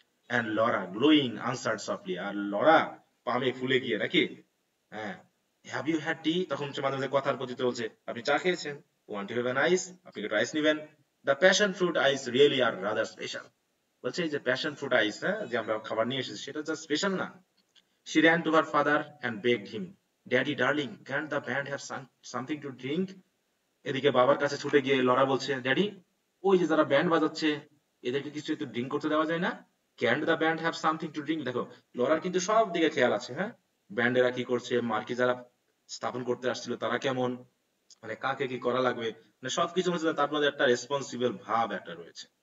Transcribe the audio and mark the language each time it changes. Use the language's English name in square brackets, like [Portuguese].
[English] and Laura glowing answered softly, [Bangla] আর Laura পামে ফুলে গিয়ে নাকি, হ্যাঁ [English] have you had tea, [Bangla] তখন হচ্ছে মাঝে মাঝে কথার প্রতি বলছে আপনি চা খেয়েছেন, [English] want you have an ice, [Bangla] আপনি একটু আইস নেবেন, [English] The passion fruit ice really are rather special. [Bangla] বলছে এই যে প্যাশন ফ্রুট আইস যে আমরা খাবার নিয়ে এসেছি সেটা জাস্ট স্পেশাল না। [English] She ran to her father and begged him, Daddy darling, can't the band have something to drink? [Bangla] এদিকে বাবার কাছে ছুটে গিয়ে লরা বলছে, ড্যাডি ওই যে যারা ব্যান্ড বাজাচ্ছে এদেরকে কিছু একটু ড্রিঙ্ক করতে দেওয়া যায় না? [English] Can't the band have something to drink? [Bangla] দেখো লরার কিন্তু সব দিকে খেয়াল আছে, হ্যাঁ ব্যান্ডেরা কি করছে, মার্কি যারা স্থাপন করতে আসছিল তারা কেমন, মানে কাকে কি করা লাগবে, মানে সবকিছু মধ্যে তার মধ্যে একটা রেসপন্সিবল ভাব একটা রয়েছে।